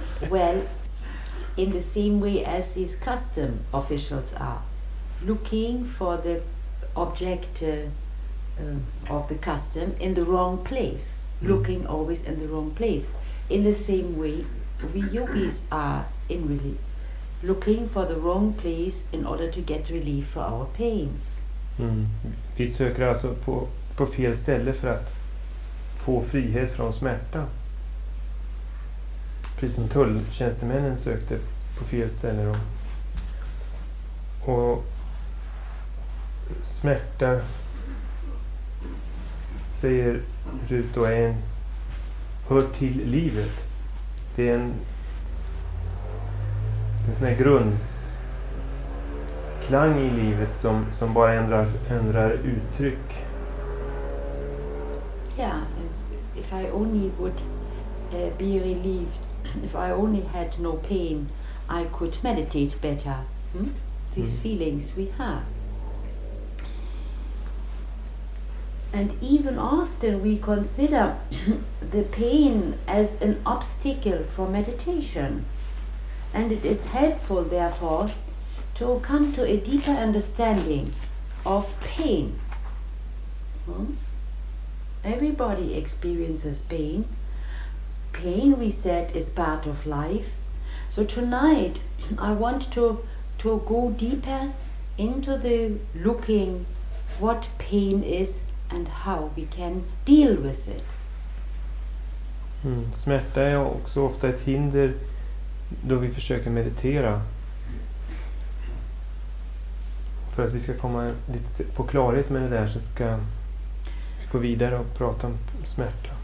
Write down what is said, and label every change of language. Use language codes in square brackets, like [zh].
[en] Well, in the same way as these custom officials are looking for the object of the custom in the wrong place, looking always in the wrong place. In the same way, we yogis are in relief, looking for the wrong place in order to get relief for our pains. [sv] Vi söker alltså på fel ställe för att få frihet från smärta. Precis som tulltjänstemännen sökte på fel ställe. Och smärta, säger Rut, hör till livet. Det är en sån här grundklang i livet som bara ändrar uttryck. [en] Yeah, if I only would be relieved, if I only had no pain, I could meditate better. These feelings we have. And even often we consider the pain as an obstacle for meditation. And it is helpful, therefore, to come to a deeper understanding of pain. Everybody experiences pain. Pain, we said, is part of life. So tonight, I want to go deeper into the looking what pain is and how we can deal with it. [sv] Smärta är också ofta ett hinder då vi försöker meditera. För att vi ska komma lite på klarhet med det där, så ska vi gå vidare och prata om smärta.